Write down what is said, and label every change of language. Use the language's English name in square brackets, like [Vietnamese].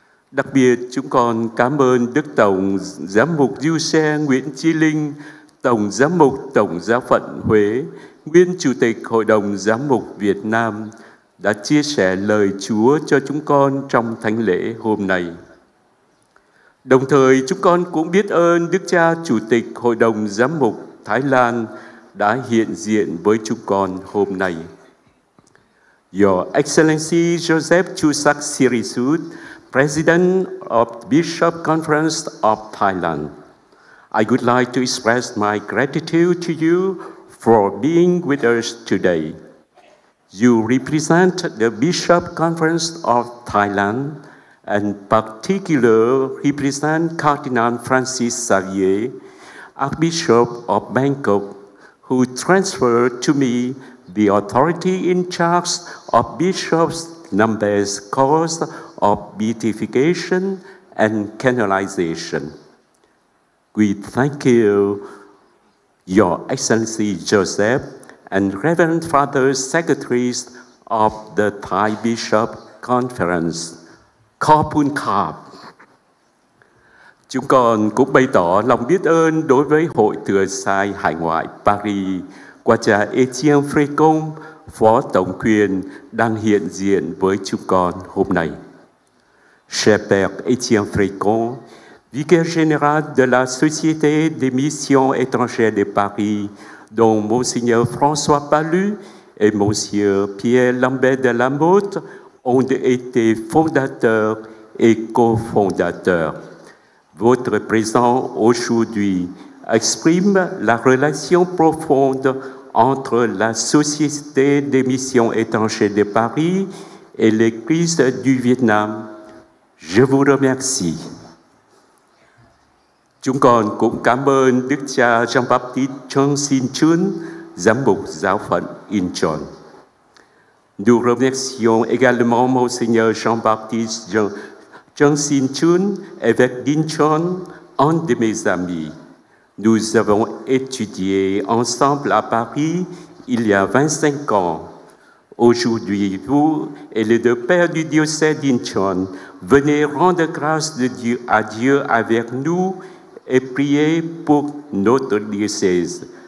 [Vietnamese] Đặc biệt, chúng con cảm ơn Đức Tổng Giám mục Giuse Nguyễn Chí Linh, Tổng Giám mục Tổng Giáo phận Huế, nguyên Chủ tịch Hội đồng Giám mục Việt Nam, đã chia sẻ lời Chúa cho chúng con trong thánh lễ hôm nay. Đồng thời, chúng con cũng biết ơn Đức cha Chủ tịch Hội đồng Giám mục Thái Lan đã hiện diện với chúng con hôm nay. [English] Your Excellency Joseph Chusak Sirisut, President of the Bishop Conference of Thailand, I would like to express my gratitude to you for being with us today. You represent the Bishop Conference of Thailand and particularly represent Cardinal Francis Xavier, Archbishop of Bangkok, who transferred to me the authority in charge of bishops' numbers cause of beatification and canonization. We thank you, Your Excellency Joseph and Reverend Father Secretaries of the Thai Bishop Conference. [Thai] Kopun Kap. [Vietnamese] Chúng con cũng bày tỏ lòng biết ơn đối với Hội Thừa Sai Hải Ngoại Paris qua cha Etienne Frecon, Phó Tổng Quyền đang hiện diện với chúng con hôm nay. [French] Cher Père Etienne Frecon, Vicaire Général de la Société des Missions Étrangères de Paris, dont Monseigneur François Palu et Monsieur Pierre Lambert de Lamotte ont été fondateurs et cofondateurs. Votre présence aujourd'hui exprime la relation profonde entre la Société des Missions Étrangères de Paris et l'Église du Vietnam. Je vous remercie. [Vietnamese] Chúng con cũng cảm ơn Đức cha Jean-Baptiste Chung Sin Chun, Giám mục Giáo phận Incheon. [French] Nous remercions également Monseigneur Jean-Baptiste Chung Sin Chun, évêque d'Incheon, un de mes amis. Nous avons étudié ensemble à Paris il y a 25 ans. Aujourd'hui, vous et les deux pères du diocèse d'Incheon, venez rendre grâce de Dieu à Dieu avec nous et priez pour notre diocèse.